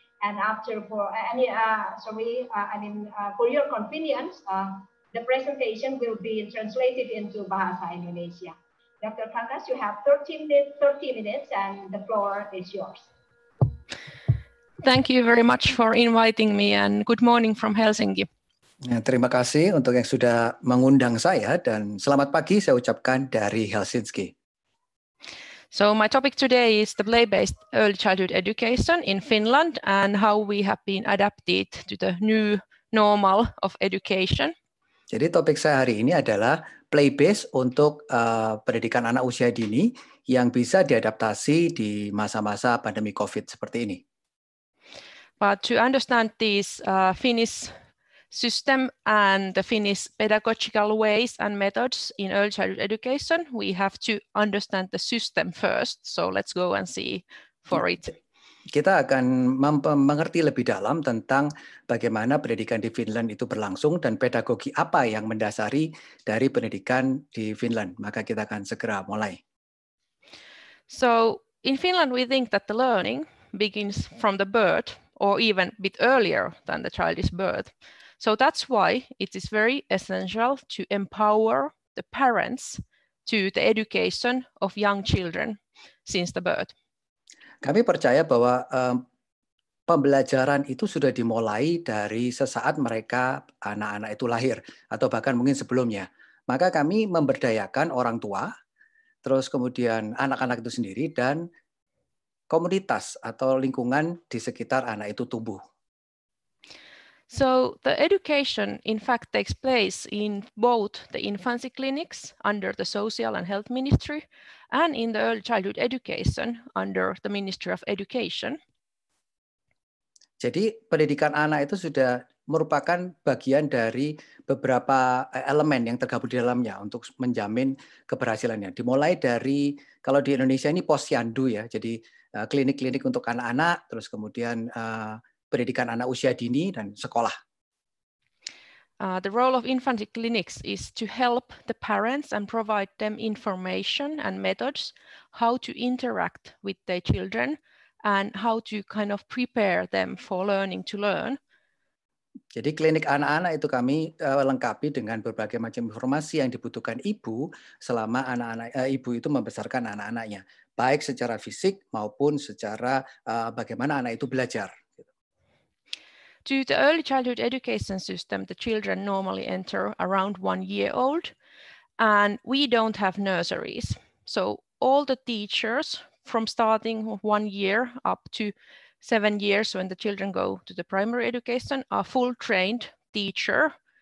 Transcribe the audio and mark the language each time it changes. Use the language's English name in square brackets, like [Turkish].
[English] And after for your convenience, the presentation will be translated into Bahasa Indonesia. Dr. Kangas, you have 30 minutes, and the floor is yours. Thank you very much for inviting me, and good morning from Helsinki. [Indonesian] Ya, terima kasih untuk yang sudah mengundang saya, dan selamat pagi saya ucapkan dari Helsinki. [English] So my topic today is the play-based early childhood education in Finland and how we have been adapted to the new normal of education. [Indonesian] Jadi topik saya hari ini adalah play-based untuk pendidikan anak usia dini yang bisa diadaptasi di masa-masa pandemi COVID seperti ini. [English] But to understand this Finnish system and the Finnish pedagogical ways and methods in early childhood education, we have to understand the system first. So let's go and see for it. [Indonesian] Kita akan mengerti lebih dalam tentang bagaimana pendidikan di Finland itu berlangsung dan pedagogi apa yang mendasari dari pendidikan di Finland. Maka kita akan segera mulai. [English] So in Finland, we think that the learning begins from the birth, or even a bit earlier than the child is birth. So that's why it is very essential to empower the parents to the education of young children since the birth. [Indonesian] Kami percaya bahwa pembelajaran itu sudah dimulai dari sesaat mereka, anak-anak itu lahir, atau bahkan mungkin sebelumnya. Maka kami memberdayakan orang tua, terus kemudian anak-anak itu sendiri, dan komunitas atau lingkungan di sekitar anak itu tumbuh. [English] So the education in fact takes place in both the infancy clinics under the social and health ministry and in the early childhood education under the Ministry of Education. [Indonesian] Jadi pendidikan anak itu sudah merupakan bagian dari beberapa elemen yang tergabung di dalamnya untuk menjamin keberhasilannya. Dimulai dari, kalau di Indonesia ini posyandu ya, jadi klinik-klinik untuk anak-anak, terus kemudian pendidikan anak usia dini dan sekolah. [English] The role of infancy clinics is to help the parents and provide them information and methods how to interact with their children and how to kind of prepare them for learning to learn. [Indonesian] Jadi klinik anak-anak itu kami lengkapi dengan berbagai macam informasi yang dibutuhkan ibu selama anak-anak ibu itu membesarkan anak-anaknya, baik secara fisik maupun secara bagaimana anak itu belajar. [English] To the early childhood education system, the children normally enter around 1 year old, and we don't have nurseries. So all the teachers from starting 1 year up to 7 years when the children go to the primary education are full trained teacher.